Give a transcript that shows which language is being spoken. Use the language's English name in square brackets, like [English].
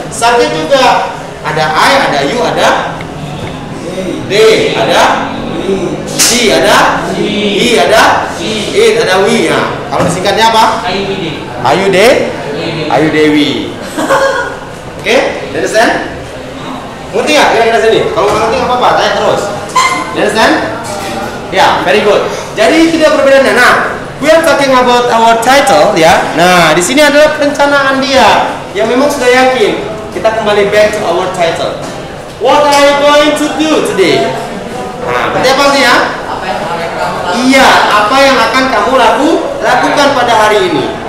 [Indonesian] Saatnya juga ada I, ada you, ada they, ada she, ada he, ada it, ada we. Ya. Kalau disingkatnya apa? [English] Are you they? Are you Dewi? Oke? You understand? [Indonesian] Ngerti gak kira-kira sini? Kalau gak ngerti gak apa-apa, tanya terus. [English] You understand? [Indonesian] Ya, yeah, [English] very good. [Indonesian] Jadi tidak perbedaannya. [English] Nah, we are talking about our title ya. Yeah. [Indonesian] Nah, di sini adalah perencanaan dia. Yang memang sudah yakin. Kita kembali [English] back to our title. What are you going to do today? [Indonesian] Nah, berarti apa sih ya? Apa yang akan kamu lakukan? Iya, apa yang akan kamu lakukan pada hari ini?